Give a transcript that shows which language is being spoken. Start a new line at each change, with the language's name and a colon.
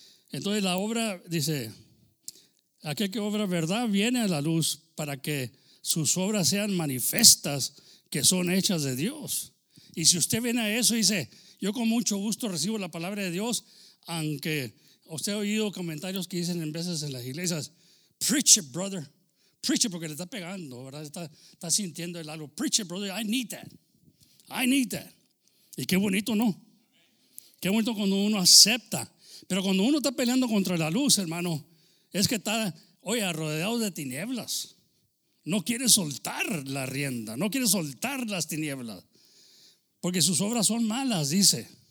Spanish: Entonces la obra, dice, aquel que obra verdad viene a la luz para que sus obras sean manifestas, que son hechas de Dios. Y si usted viene a eso y dice, yo con mucho gusto recibo la palabra de Dios, aunque usted ha oído comentarios que dicen en veces en las iglesias,
English: preach it, brother, preach it,
Spanish: porque le está pegando, ¿verdad? Está sintiendo el algo,
English: preach it, brother, I need that, I need that.
Spanish: Y qué bonito, ¿no? Qué bonito cuando uno acepta. Pero cuando uno está peleando contra la luz, hermano, es que está, oye, rodeado de tinieblas. No quiere soltar la rienda, no quiere soltar las tinieblas. Porque sus obras son malas, dice.